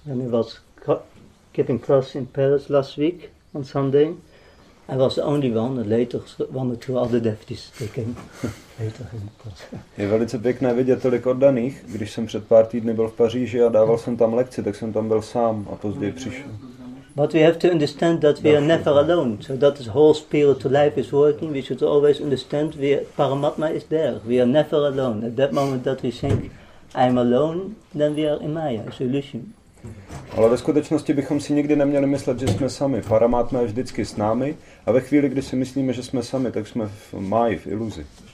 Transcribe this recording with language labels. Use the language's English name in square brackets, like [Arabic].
[English] When I was giving class in Paris last week on Sunday, I was the only one, and later one or two other devotees they came later in class. [Czech] Je velice pěkné vidět tolik oddaných. Když jsem před pár týdny byl v Paříži a dával jsem tam lekci, tak jsem tam byl sám a později přišel. [English] But we have to understand that we are never alone. So that is whole spiritual life is working. We should always understand we are, Paramatma is there. We are never alone. At that moment that we think I'm alone, then we are in Maya, it's an illusion. [Czech] Ale ve skutečnosti bychom si nikdy neměli myslet, že jsme sami. Paramatma je vždycky s námi. A ve chvíli, kdy si myslíme, že jsme sami, tak jsme v Maji, v iluzi.